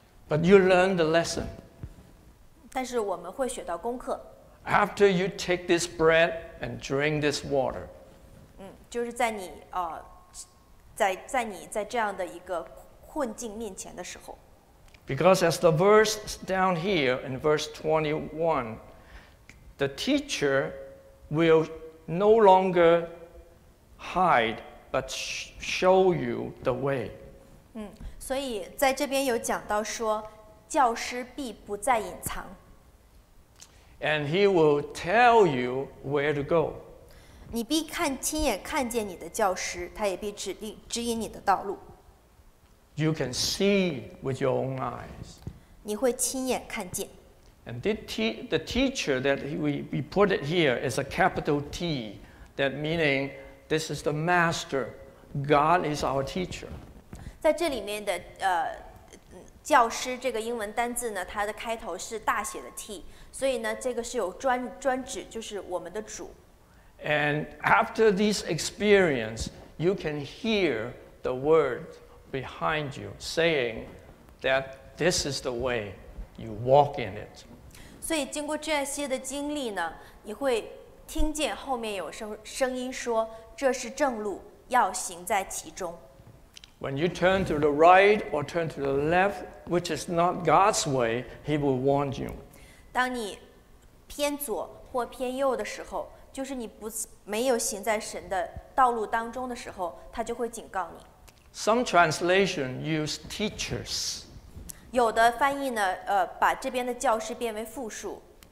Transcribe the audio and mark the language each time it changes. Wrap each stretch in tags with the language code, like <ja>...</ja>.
<en>But you learn the lesson.</en> <zh>但是我们会学到功课。</zh> <en>After you take this bread and drink this water,</en> <zh>就是在你在这样的一个困境面前的时候。</zh> <en>Because as the verse down here in verse 21, the teacher will no longer hide but show you the way.</en> <zh>所以在这边有讲到说，教师必不再隐藏。</zh> <en>And he will tell you where to go.</en> <zh>你必看亲眼看见你的教师，他也必指引你的道路。</zh> <en>You can see with your own eyes.</en> <zh>你会亲眼看见。</zh> <en>And the teacher that we put it here is a capital T, that meaning this is the master. God is our teacher.</en> <zh>在这里面的教师这个英文单字呢，它的开头是大写的 T， 所以呢，这个是有专指，就是我们的主。</zh> <en>And after this experience, you can hear the word behind you saying that this is the way you walk in it.</en> <zh>所以经过这些的经历呢，你会听见后面有声音说，这是正路，要行在其中。</zh> <en>When you turn to the right or turn to the left, which is not God's way, He will warn you.</en> <zh>当你偏左或偏右的时候，就是你不没有行在神的道路当中的时候，他就会警告你。</zh> <en>Some translation use teachers.</en> <zh>有的翻译呢，把这边的教师变为复数。</zh>